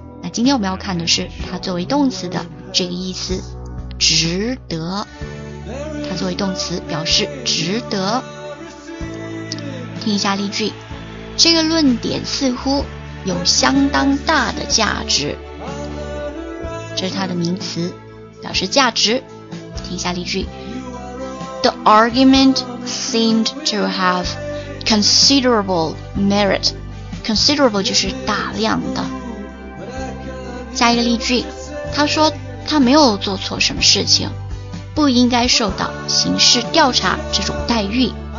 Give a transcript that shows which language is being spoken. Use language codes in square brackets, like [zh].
[zh] 那今天我们要看的是它作为动词的这个意思，值得，它作为动词表示值得。听一下例句，这个论点似乎有相当大的价值，这是它的名词，表示价值。听一下例句， [en] The argument seemed to have considerable merit. [zh] Considerable 就是大量的。下一个例句，他说他没有做错什么事情，不应该受到刑事调查这种待遇。